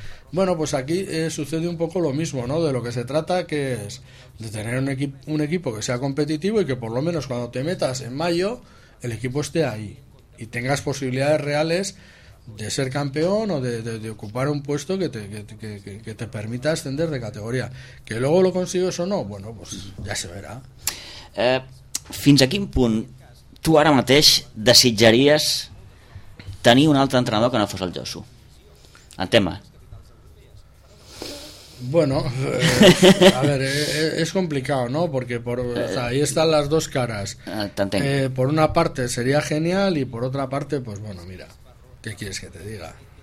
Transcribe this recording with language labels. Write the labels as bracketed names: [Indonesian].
[Spanish] Bueno, pues aquí sucede un poco lo mismo, ¿no? De lo que se trata, que es de tener un equipo que sea competitivo y que por lo menos cuando te metas en mayo, el equipo esté ahí y tengas posibilidades reales de ser campeón o de ocupar un puesto que te permita ascender de categoría. Que luego lo consigues o no, bueno, pues ya se verá. [Catalan] Fins a quin punt tu ara mateix desitjaries tenir un altre entrenador que no fos el Josu? En tema... [Spanish] Bueno, a ver, es complicado, ¿no? Porque o sea, ahí están las dos caras. Por una parte sería genial y por otra parte, pues bueno, mira, ¿qué quieres que te diga?